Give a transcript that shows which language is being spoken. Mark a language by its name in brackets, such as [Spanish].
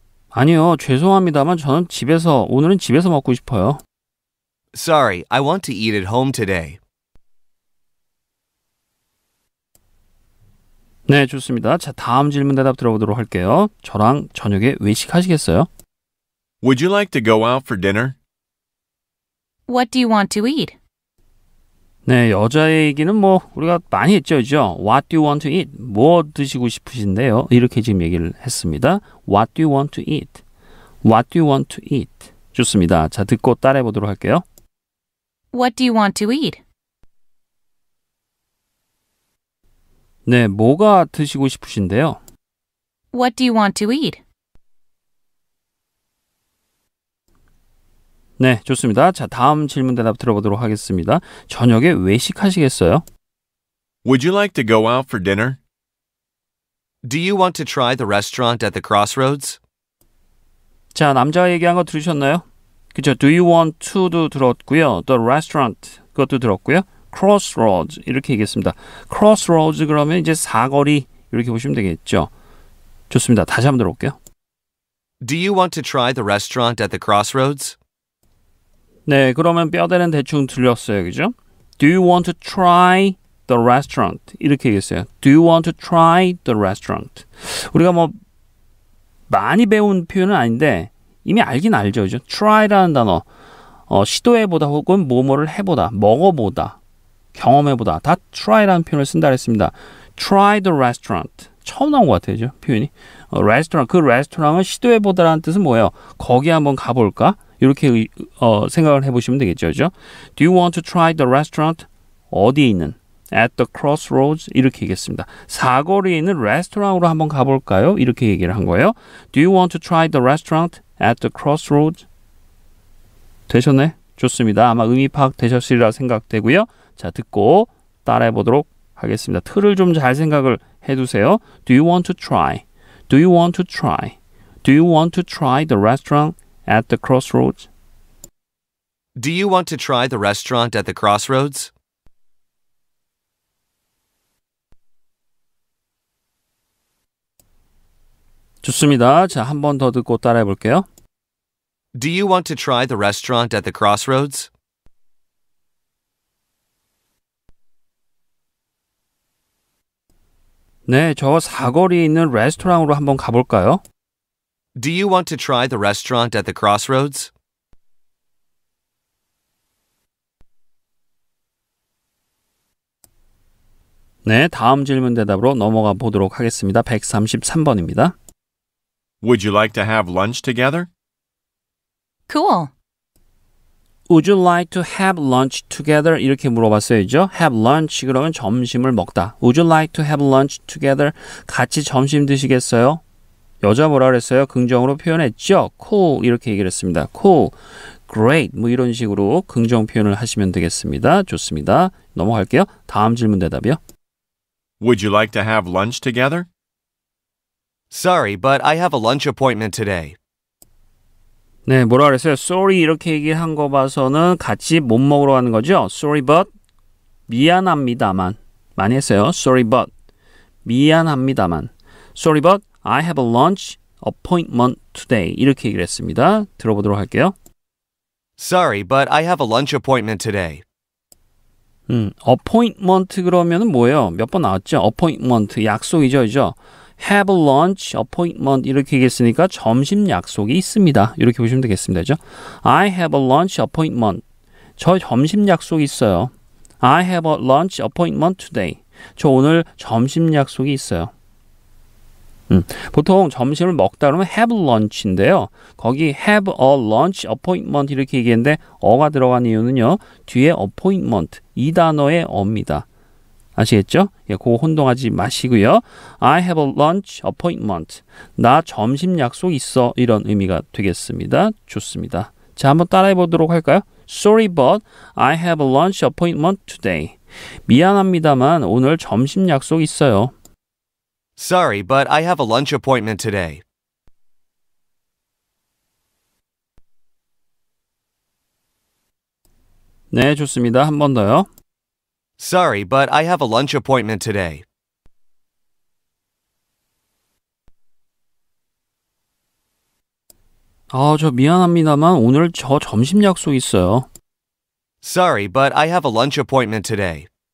[Korean] 아니요, 죄송합니다만 저는 집에서 오늘은 집에서 먹고 싶어요. [English] Sorry, I want to eat at home today. [Korean] 네, 좋습니다. 자, 다음 질문 대답 들어보도록 할게요. 저랑 저녁에 외식하시겠어요? [English] Would you like to go out for dinner? What do you want to eat? [Korean] 네, 여자의 얘기는 뭐 우리가 많이 했죠, 그죠? [English] What do you want to eat? [Korean] 뭐 드시고 싶으신데요? 이렇게 지금 얘기를 했습니다. [English] What do you want to eat? What do you want to eat? [Korean] 좋습니다. 자, 듣고 따라해 보도록 할게요. [English] What do you want to eat? [Korean] 네, 뭐가 드시고 싶으신데요? [English] What do you want to eat? [Korean] 네, 좋습니다. 자, 다음 질문 대답 들어보도록 하겠습니다. 저녁에 외식하시겠어요? [English] Would you like to go out for dinner? Do you want to try the restaurant at the crossroads? [Korean] 자, 남자 얘기한 거 들으셨나요? 그죠? [English] Do you want to [Korean] 도 들었고요. [English] The restaurant [Korean] 그것도 들었고요. Crossroads 이렇게 얘기했습니다. Crossroads 그러면 이제 사거리 이렇게 보시면 되겠죠. 좋습니다. 다시 한번 들어볼게요. [English] Do you want to try the restaurant at the crossroads? [Korean] 네, 그러면 뼈대는 대충 들렸어요. 그죠? [English] Do you want to try the restaurant? [Korean] 이렇게 얘기했어요. [English] Do you want to try the restaurant? [Korean] 우리가 뭐 많이 배운 표현은 아닌데 이미 알긴 알죠. 그죠? try라는 단어. 시도해보다 혹은 뭐뭐를 해보다, 먹어보다, 경험해보다 다 try라는 표현을 쓴다 했습니다. [English] Try the restaurant. [Korean] 처음 나온 것 같아요. 그죠? 표현이. Restaurant. 그 레스토랑을 시도해보다라는 뜻은 뭐예요? 거기 한번 가볼까? 이렇게 생각을 해보시면 되겠죠. 그죠? [English] Do you want to try the restaurant? [Korean] 어디에 있는? [English] At the crossroads [Korean] 이렇게 얘기했습니다. 사거리에 있는 레스토랑으로 한번 가볼까요? 이렇게 얘기를 한 거예요. [English] Do you want to try the restaurant at the crossroads? [Korean] 되셨네? 좋습니다. 아마 의미 파악되셨으리라 생각되고요. 자, 듣고 따라해 보도록 하겠습니다. 틀을 좀 잘 생각을 해두세요. [English] Do you want to try? Do you want to try? Do you want to try the restaurant at the crossroads? Do you want to try the restaurant at the crossroads? [Korean] 좋습니다. 자, 한 번 더 듣고 따라해 볼게요. [English] Do you want to try the restaurant at the crossroads? [Korean] 네, 저 사거리에 있는 레스토랑으로 한번 가볼까요? [English] Do you want to try the restaurant at the crossroads? [Korean] 네, 다음 질문 대답으로 넘어가 보도록 하겠습니다. 133번입니다. [English] Would you like to have lunch together? Cool. Would you like to have lunch together? [Korean] 이렇게 물어봤어야죠. [English] Have lunch [Korean] 그러면 점심을 먹다. [English] Would you like to have lunch together? [Korean] 같이 점심 드시겠어요? 여자 뭐라 그랬어요? 긍정으로 표현했죠. Cool 이렇게 얘기를 했습니다. Cool. Great 뭐 이런 식으로 긍정 표현을 하시면 되겠습니다. 좋습니다. 넘어갈게요. 다음 질문 대답이요. [English] Would you like to have lunch together? Sorry, but I have a lunch appointment today. [Korean] 네, 뭐라 그랬어요? Sorry 이렇게 얘기한 거 봐서는 같이 못 먹으러 가는 거죠? [English] Sorry, but [Korean] 미안합니다만 많이 했어요. [English] Sorry, but [Korean] 미안합니다만 [English] Sorry, but I have a lunch appointment today. [Korean] 이렇게 얘기를 했습니다. 들어보도록 할게요. [English] Sorry, but I have a lunch appointment today. [Korean] Appointment 그러면 뭐예요? 몇 번 나왔죠? Appointment, 약속이죠, 그죠? [English] Have a lunch appointment [Korean] 이렇게 얘기했으니까 점심 약속이 있습니다. 이렇게 보시면 되겠습니다. 그렇죠? [English] I have a lunch appointment. [Korean] 저 점심 약속이 있어요. [English] I have a lunch appointment today. [Korean] 저 오늘 점심 약속이 있어요. 보통 점심을 먹다 그러면 [English] have a lunch [Korean] 인데요. 거기 [English] have a lunch appointment [Korean] 이렇게 얘기했는데 어가 들어간 이유는요. 뒤에 appointment 이 단어의 어입니다. 아시겠죠? 예, 그거 혼동하지 마시고요. [English] I have a lunch appointment. [Korean] 나 점심 약속 있어. 이런 의미가 되겠습니다. 좋습니다. 자, 한번 따라해 보도록 할까요? [English] Sorry, but I have a lunch appointment today. [Korean] 미안합니다만 오늘 점심 약속 있어요. [English] Sorry, but I have a lunch appointment today. [Korean] 네, 좋습니다. 한 번 더요. [English] Sorry, but I have a lunch appointment today. [Korean] 아, 저 미안합니다만 오늘 저 점심 약속 있어요. [English] Sorry, but I have a lunch appointment today.